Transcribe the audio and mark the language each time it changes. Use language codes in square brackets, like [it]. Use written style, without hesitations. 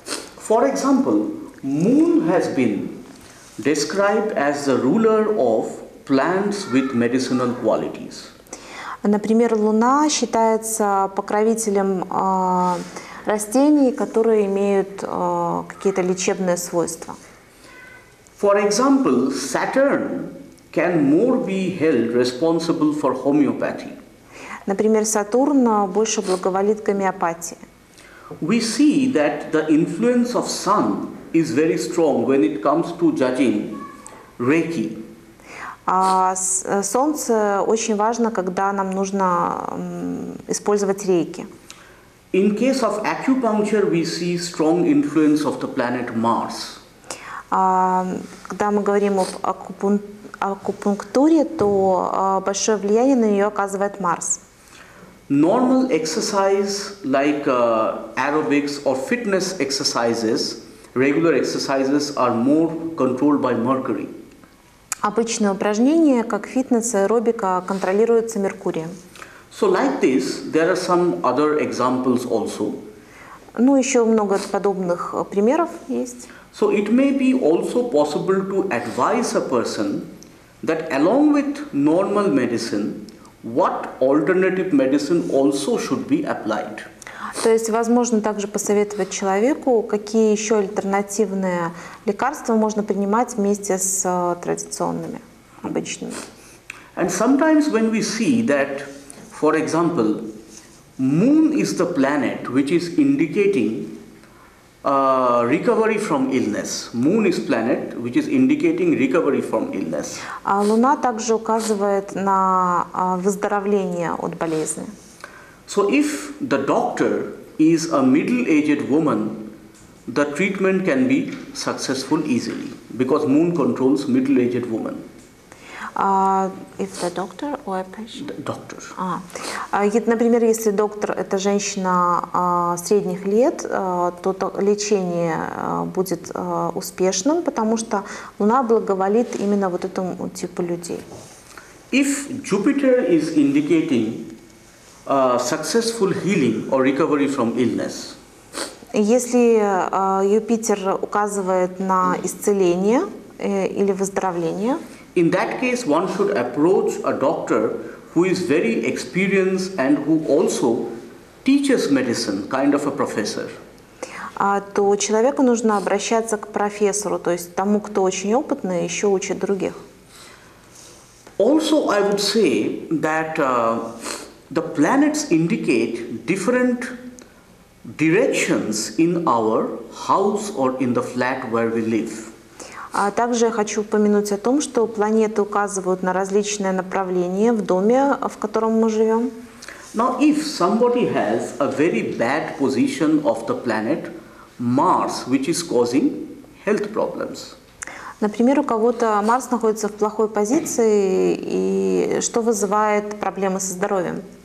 [en] For example, Moon has been described as the ruler of plants with medicinal qualities. [ru] Например, Луна считается покровителем растений, которые имеют какие-то лечебные свойства. [en] For example, Saturn can more be held responsible for homeopathy. [ru] Например, Сатурн больше благоволит гомеопатии. [en] We see that the influence of Sun is very strong when it comes to judging Reiki. [ru] Солнце очень важно, когда нам нужно использовать Рейки. [en] In case of acupuncture, we see strong influence of the planet Mars. [ru] Когда мы говорим об акупунктуре, то большое влияние на нее оказывает Марс. [en] Normal exercise like aerobics or fitness exercises, regular exercises are more controlled by Mercury. [ru] Обычные упражнения, как фитнес, аэробика, контролируются Меркурием. [en] So like this, there are some other examples also. [ru] Ну, еще много подобных примеров есть. [en] So it may be also possible to advise a person that along with normal medicine, what alternative medicine also should be applied. [ru] То есть, возможно, также посоветовать человеку, какие еще альтернативные лекарства можно принимать вместе с традиционными, обычными. [en] And sometimes when we see that, for example, Moon is the planet which is indicating recovery from illness. Moon is planet which is indicating recovery from illness. [ru] Луна также указывает на выздоровление от болезни. [en] So if the doctor is a middle-aged woman, the treatment can be successful easily because Moon controls middle-aged woman. If the doctor or a patient? The doctor. [ru] Например, если доктор – это женщина средних лет, то лечение будет успешным, потому что Луна благоволит именно вот этому типу людей. [en] If Jupiter is indicating successful healing or recovery from illness. [ru] Если Юпитер указывает на исцеление или выздоровление. [en] In that case, one should approach a doctor who is very experienced and who also teaches medicine, kind of a professor. [ru] То человеку нужно обращаться к профессору, то есть тому, кто очень опытный, еще учит других. [en] Also, I would say that the planets indicate different directions in our house or in the flat where we live. [ru] Также я хочу упомянуть о том, что планеты указывают на различные направления в доме, в котором мы живем. [en] Now, if somebody has a very bad position of the planet Mars, which is causing health problems. [ru] Например, у кого-то Марс находится в плохой позиции, и что вызывает проблемы со здоровьем?